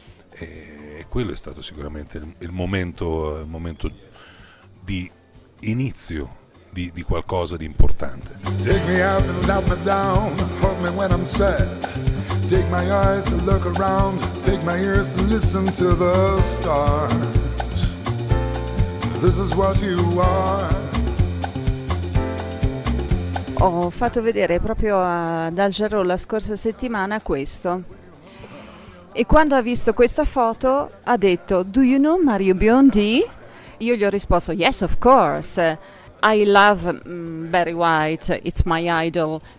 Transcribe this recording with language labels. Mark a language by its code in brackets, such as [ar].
[it] E quello è stato sicuramente il momento di inizio di qualcosa di importante. [en] Take me up and let me down, hurt me when I'm sad. Take my eyes and look around, take my ears and listen to the stars. This is what you are. [it] Ho fatto vedere proprio ad Al Jarreau la scorsa settimana questo. E quando ha visto questa foto ha detto: [en] "Do you know Mario Biondi?" [it] Io gli ho risposto: [en] "Yes, of course. I love Barry White, it's my idol."